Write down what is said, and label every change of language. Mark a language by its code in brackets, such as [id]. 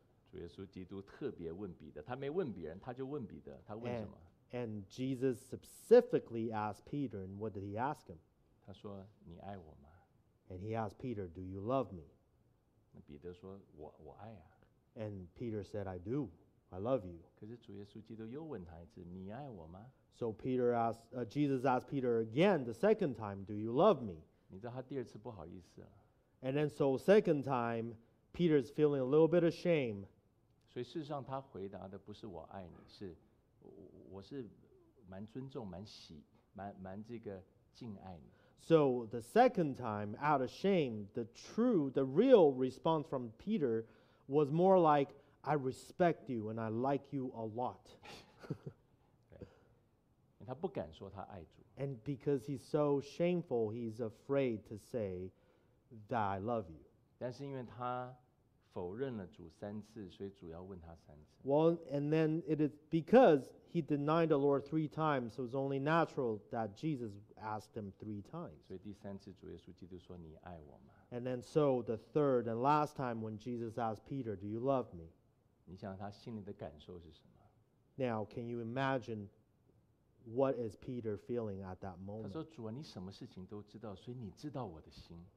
[zh] 主耶稣基督特别问彼得，他没问别人，他就问彼得，他问什么？ [en] And Jesus specifically asked Peter, and what did He ask him? [zh] 他说，你爱我吗？ [en] And He asked Peter, do you love me? [zh] 彼得说，我爱啊。 [en] And Peter said, I do. I love you. [zh] 可是主耶稣基督又问他一次，你爱我吗？ [en] So Peter asked, Jesus asked Peter again the second time, do you love me? [zh] 你知道他第二次不好意思了。 [en] And then so second time, Peter is feeling a little bit of shame. [zh] 所以事实上他回答的不是我爱你，是 我是蛮尊重，蛮喜，蛮这个敬爱你。 [en] So the second time, out of shame, the real response from Peter was more like, I respect you and I like you a lot. [zh] 他不敢说他爱主。 [en] And because he's so shameful, he's afraid to say that I love you. [zh] 但是因为他 否认了主三次，所以主要问他三次。 [en] Well, and then it is because he denied the Lord three times, so it's only natural that Jesus asked him three times. [zh] 所以第三次主耶稣基督说，你爱我吗？ [en] And then so the third and last time when Jesus asked Peter, do you love me? [zh] 你想他心里的感受是什么？ [en] Now, can you imagine what is Peter feeling at that moment? [zh] 他说，主啊，你什么事情都知道，所以你知道我的心。